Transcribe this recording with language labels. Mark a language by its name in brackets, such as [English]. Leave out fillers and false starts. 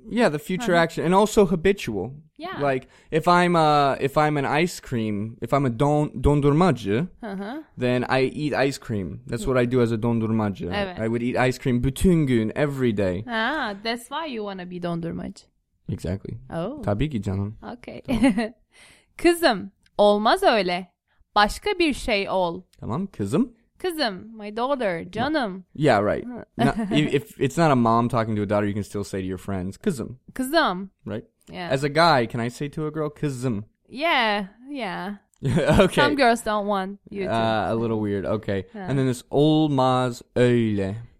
[English] Yeah, the future uh-huh. action. And also habitual. Yeah. Like if I'm a dondurmacı, uh-huh. then I eat ice cream. That's yeah. what I do as a dondurmacı. [Turkish] Evet. [English] I would eat ice cream [Turkish] bütün gün [English] every day. Ah, that's why you want to be dondurmacı. Exactly. Oh. [Turkish] Tabii ki canım. [English] Okay. [Turkish] Tamam. Kızım, olmaz öyle. Başka bir şey ol. Tamam, kızım. Kızım, [English] my daughter, [Turkish] canım. [English] Yeah, right. if it's not a mom talking to a daughter, you can still say to your friends, kızım. [Turkish] Kızım. [English] Right? Yeah. As a guy, can I say to a girl, kızım? Yeah, yeah. Okay. Some girls don't want you to. A little weird. Okay. Yeah. And then this [Turkish] olmaz öyle.